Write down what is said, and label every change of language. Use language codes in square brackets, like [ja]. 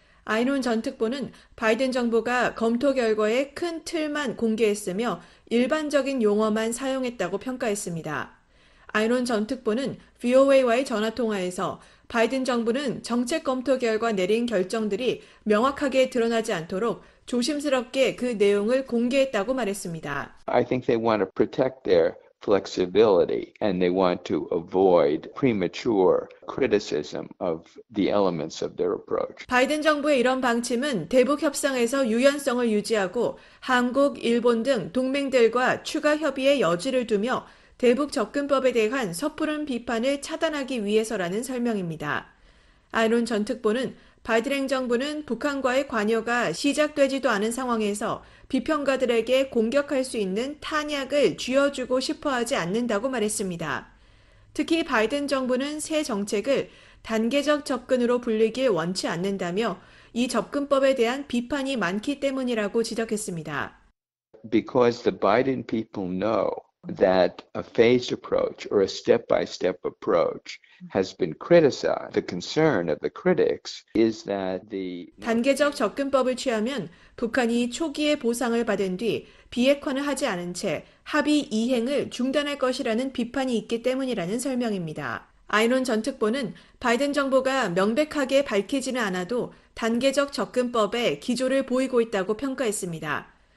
[ko] 아이논 전 특보는 바이든 정부가 검토 결과의 큰 틀만 공개했으며 일반적인 용어만 사용했다고 평가했습니다. 아이론 전 특보는 VOA와의 전화 통화에서 바이든 정부는 정책 검토 결과 내린 결정들이 명확하게 드러나지 않도록 조심스럽게 그 내용을 공개했다고 말했습니다. [en] I think they want to protect their flexibility and they want to avoid premature criticism of the elements of their approach. [ko] 바이든 정부의 이런 방침은 대북 협상에서 유연성을 유지하고 한국, 일본 등 동맹들과 추가 협의의 여지를 두며 대북 접근법에 대한 섣부른 비판을 차단하기 위해서라는 설명입니다. 아이론 전 특보는 바이든 행정부는 북한과의 관여가 시작되지도 않은 상황에서 비평가들에게 공격할 수 있는 탄약을 쥐어주고 싶어 하지 않는다고 말했습니다. 특히 바이든 정부는 새 정책을 단계적 접근으로 불리길 원치 않는다며 이 접근법에 대한 비판이 많기 때문이라고 지적했습니다. [en] Because the Biden people know that a phased approach or a step-by-step approach has been criticized. The concern of the critics is that the [ko] 단계적 접근법을 취하면 북한이 초기에 보상을 받은 뒤 비핵화는 하지 않은 채 합의 이행을 중단할 것이라는 비판이 있기 때문이라는 설명입니다. 아이론 전 특보는 바이든 정부가 명백하게 밝히지는 않아도 단계적 접근법의 기조를 보이고 있다고 평가했습니다.